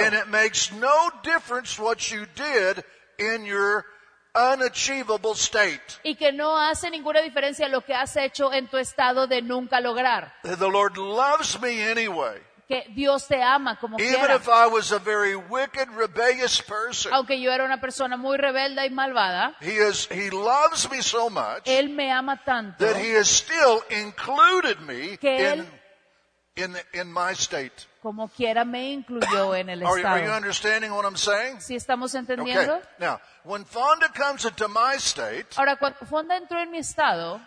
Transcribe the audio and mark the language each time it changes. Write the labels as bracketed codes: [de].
[en] And it makes no difference what you did in your unachievable state. [es] Y que no hace ninguna diferencia lo que has hecho en tu estado de nunca lograr. [en] The Lord loves me anyway. [es] Que Dios te ama como [en] even [es] quiera. [en] If I was a very wicked, rebellious person, [es] aunque yo era una persona muy rebelde y malvada, [en] he loves me so much, [es] él me ama tanto, [en] that he has still included me in my state. [es] Como quiera me incluyó en el estado. [en] Are you understanding what I'm saying? [es] ¿Sí estamos entendiendo? [en] Okay. Now, when Fonda comes into my state, [es] ahora, cuando Fonda entró en mi estado,